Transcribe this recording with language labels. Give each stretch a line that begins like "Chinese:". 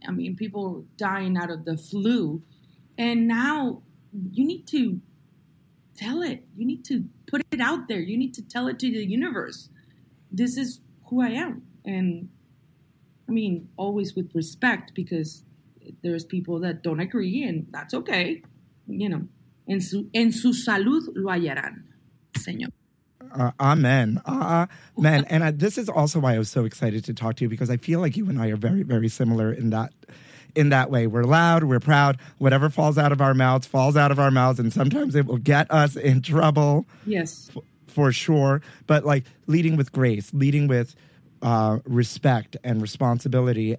English: I mean, people dying out of the flu. And now you need to tell it. You need to put it out there. You need to tell it to the universe. This is who I am. And I mean, always with respect, because there's people that don't agree, and that's okay. You know,
Spanish: en su salud lo hallarán, señor.
English: Amen. And this is also why I was so excited to talk to you, because I feel like you and I are very, very similar in that way. We're loud, we're proud. Whatever falls out of our mouths falls out of our mouths, and sometimes it will get us in trouble. Yes. For sure. But like leading with grace, leading with respect and responsibility.